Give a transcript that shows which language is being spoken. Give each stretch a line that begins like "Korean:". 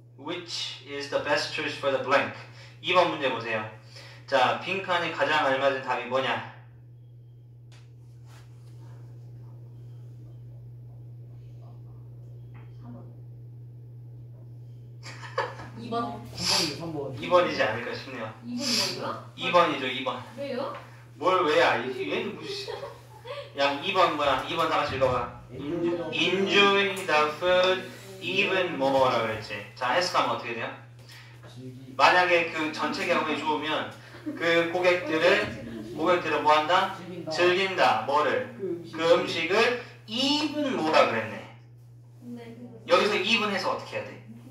English: Which is the best choice for the blank?
Korean: 2번 문제 보세요. 자, 빈칸에 가장 알맞은 답이 뭐냐? 2번 3번이요 2번이지 않을까 싶네요. 2번이 2번이죠, 2번. 왜요? 뭘 왜야? 얘는 무슨? 야, 2번 뭐야? 2번 다 같이 읽어봐.
English: Enjoy the food even more
Korean: 라고 했지. 자, 해석하면 어떻게 돼요? 만약에 그 전체 경험이 좋으면 그 고객들은 뭐 한다? 즐긴다. 뭐를? 그 음식을 even 뭐라 그랬네. 여기서 even 해서 어떻게 해야 돼?